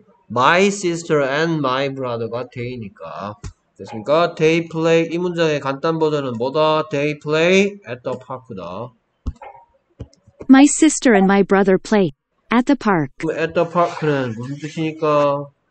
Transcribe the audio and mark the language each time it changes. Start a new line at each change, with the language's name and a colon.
English: My sister and my brother가 day니까.
Korean: 됐습니까?
English: They play
Korean: 이 문장의 간단 버전은 뭐다?
English: They play at the park다. My sister and my brother play at the park. At the park
Korean: 는 무슨 뜻이니까?